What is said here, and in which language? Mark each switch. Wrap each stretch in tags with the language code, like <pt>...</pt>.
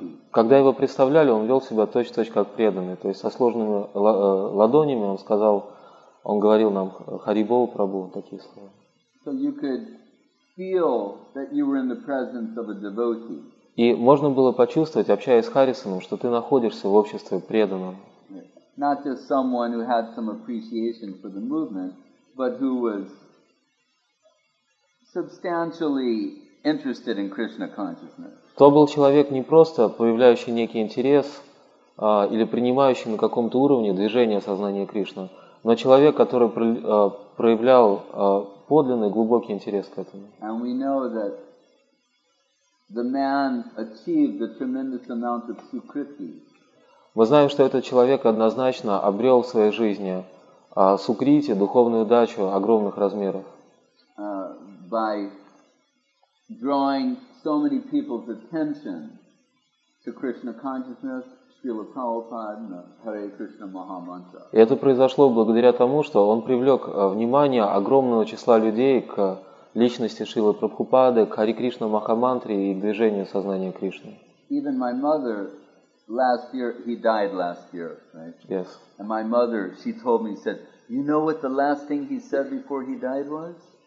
<ru>Когда его представляли, он вел себя точь-в-точь как преданный. То есть со сложными ладонями он сказал, он говорил нам «Хари Бол, Прабу», такие слова.</ru> <en>So you could feel that you were in the presence of a devotee.</en> <ru>И можно было почувствовать, общаясь с Харрисоном, что ты находишься в обществе преданного.</ru> <en>Not just someone who had some appreciation for the movement, but who was substantially interested in Krishna consciousness.</en> <ru>То был человек не просто проявляющий некий интерес или принимающий на каком-то уровне движение сознания Кришны, но человек, который проявлял подлинный глубокий интерес к этому.</ru> <en>And we know that the man achieved a tremendous amount of sukriti.</en> <ru>Мы знаем, что этот человек однозначно обрел в своей жизни сукрити, духовную удачу огромных размеров.</ru> <en>By drawing so many people's attention to Krishna consciousness, Srila Prabhupada, the Hare Krishna Maha Mantra.</en> <ru>И это произошло благодаря тому, что он привлек внимание огромного числа людей к личности Шрилы Прабхупады, к Хари Кришна Маха Мантре и к движению сознания Кришны.</ru> <en>Even my mother, last year, he died last year, right? Yes. And my mother, she told me, said, you know what the last thing he said before he died was?</en>